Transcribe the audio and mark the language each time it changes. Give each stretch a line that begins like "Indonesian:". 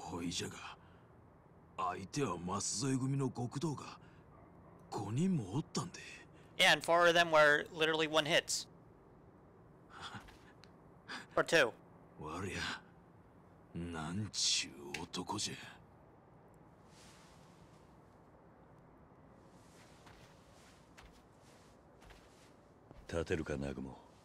Japanese: じゃが、相手はマスゾイ組の極道が5人もおったんで。
English: Yeah, and four of them were literally one hits. Or two.
Japanese: わりゃ、なんちゅう男じゃ。立てるか、ナグモ。